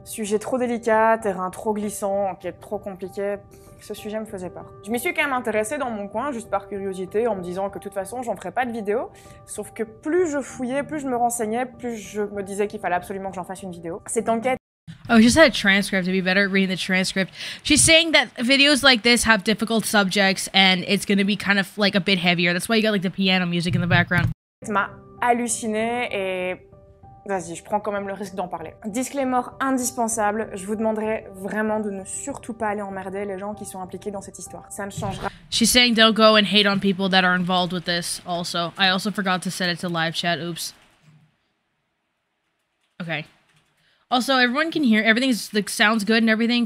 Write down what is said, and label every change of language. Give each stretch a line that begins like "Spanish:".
French: Sujet trop délicat, terrain trop glissant, enquête trop compliquée, ce sujet me faisait peur. Je m'y suis quand même intéressée dans mon coin, juste par curiosité, en me disant que de toute façon, j'en ferais pas de vidéo. Sauf que plus je fouillais, plus je me renseignais, plus je me disais qu'il fallait absolument que j'en fasse une vidéo. Cette enquête...
English: Oh, just had a transcript. It'd be better reading the transcript. She's saying that videos like this have difficult subjects, and it's gonna be kind of like a bit heavier. That's why you got like the piano music in the background.
French: Halluciné et... Vas-y, je prends quand même le risque d'en parler. Disclaimer indispensable, je vous demanderai vraiment de ne surtout pas aller emmerder les gens qui sont impliqués dans cette histoire. Ça ne changera.
English: She's saying don't go and hate on people that are involved with this also. I also forgot to set it to live chat, oops. Okay. Also, everyone can hear, everything like, sounds good and everything.